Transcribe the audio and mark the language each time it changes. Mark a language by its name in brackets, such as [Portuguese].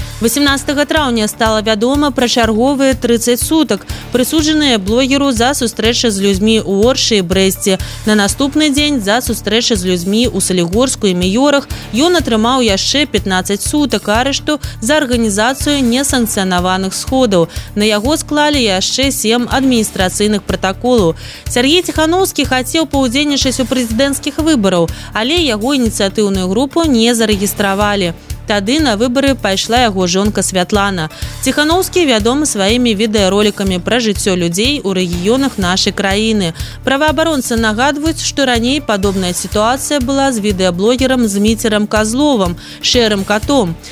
[Belarusian] 18 траўня стала вядома пра чарговыя 30 сутак, прысуджаныя блогеру за сустрэчы з людзьмі ў Оршы і Брэсце. На наступны дзень за сустрэчы з людзьмі ў Салігорску і Міёрах ён атрымаў яшчэ 15 сутак арышту за арганізацыю несанкцыянаваных сходаў. На яго склалі яшчэ 7 адміністрацыйных пратаколаў. [Russian] Сергей Тихановский хотел поудзельнічаць у президентских выборах, але его инициативную группу не зарегистрировали. [Belarusian] Тады на выборы пайшла яго жонка Святлана. Тихановскі вядомы сваімі відэароликамі пра жыццё людзей у рэгіёнах нашай краіны. Праваабаронцы нагадваюць, што раней падобная сітуацыя была з відэаблогерам Дмітрам Казловым, шэрым катом.